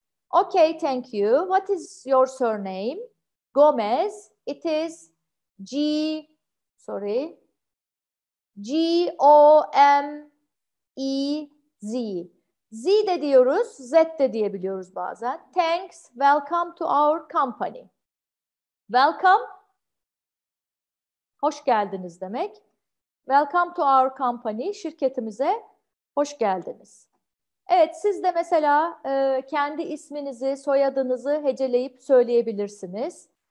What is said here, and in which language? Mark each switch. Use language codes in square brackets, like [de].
[en] Okay, thank you. What is your surname? Gomez. It is G, sorry. Gomez. Z. [tr] Z de diyoruz, Z de diyebiliyoruz bazen. [en] Thanks, welcome to our company. [tr] Welcome, hoş geldiniz demek. [en] Welcome to our company, [tr] şirketimize hoş geldiniz. Evet, siz de mesela kendi isminizi, soyadınızı heceleyip söyleyebilirsiniz.